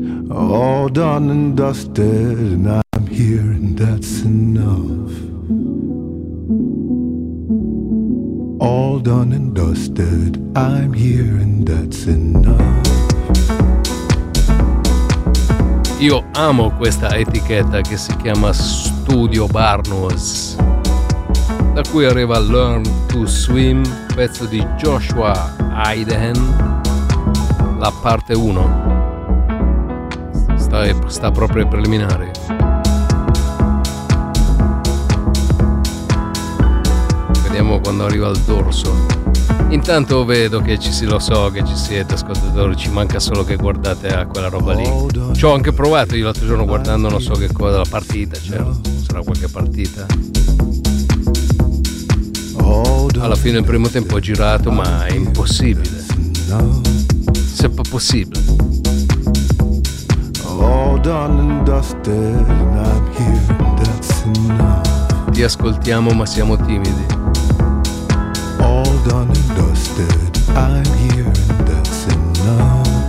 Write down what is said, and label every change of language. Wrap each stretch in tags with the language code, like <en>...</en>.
<en>All done and dusted and I'm here and that's enough. All done and dusted, I'm here and that's enough.</en> <it>Io amo questa etichetta che si chiama Studio Barnes, da cui arriva Learn to Swim, pezzo di Joshua Aiden, la parte 1. Sta proprio ai preliminari. Vediamo quando arriva al dorso. Intanto vedo che ci si, lo so che ci siete ascoltatori, ci manca solo che guardate a quella roba lì. Ci ho anche provato io l'altro giorno guardando non so che cosa, la partita, certo, sarà qualche partita. Alla fine il primo tempo ho girato, ma è impossibile. Sempre possibile.</it> <en>All done and dusted, and I'm here, that's enough.</en> <it>Ti ascoltiamo, ma siamo timidi.</it> <en>All done and dusted, I'm here, and that's enough.</en>